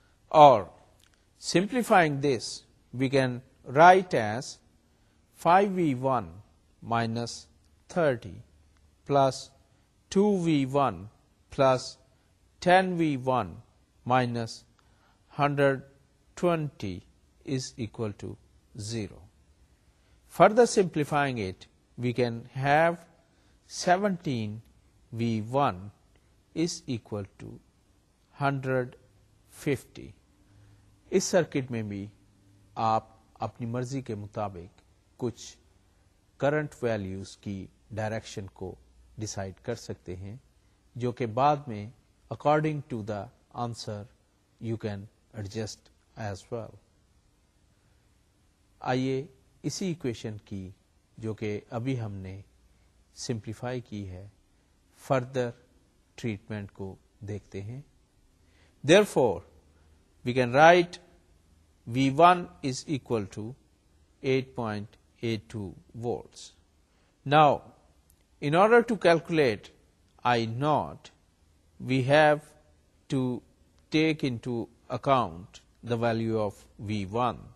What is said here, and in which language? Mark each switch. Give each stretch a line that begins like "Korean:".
English: Or simplifying this, we can write as 5V1 minus 30 plus 2V1 plus 10V1 minus 120 is equal to 0. Further simplifying it, we can have 17V1 is equal to 150.
Urdu: اس circuit میں بھی آپ اپنی مرضی کے مطابق کچھ current values کی direction کو ڈیسائیڈ کر سکتے ہیں جو کہ بعد میں
English: According to the answer you can adjust as well.
Urdu: آئیے اسی ایکویشن کی جو کہ ابھی ہم نے سمپلیفائی کی ہے فردر ٹریٹمنٹ کو دیکھتے ہیں.
English: Therefore, we can write V1 is equal to 8.82 volts. Now, in order to calculate I0, we have to take into account the value of V1.